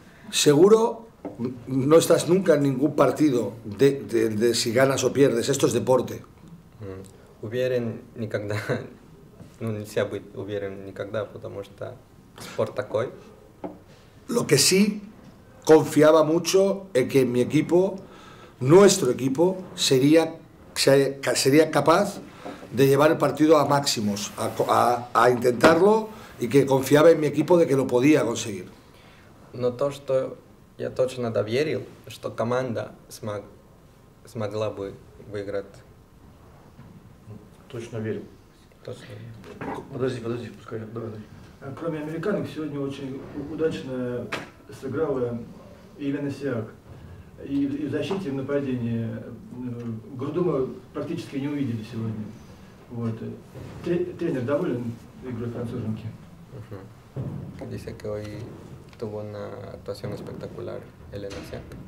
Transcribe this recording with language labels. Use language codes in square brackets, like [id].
[es] Seguro no estás nunca en ningún partido de si ganas o pierdes. Esto es deporte. [ru] Hubieren никогда, ну нельзя быть уверен никогда, потому что спорт такой. [es] Lo que sí confiaba mucho es que mi equipo, nuestro equipo, sería capaz de llevar el partido a máximos, a intentarlo y que confiaba en mi equipo de que lo podía conseguir. [ru] Но то, что я точно доверил, что команда смогла бы выиграть. Точно верю. Подожди, пускай. Давай. Кроме американок, сегодня очень удачно сыграла Елена Сиак. И в защите, и в нападении. Грудума практически не увидели сегодня. Вот. Тренер доволен игрой француженки? [es] Dice que hoy tuvo una actuación espectacular [ru] Елена Сиак.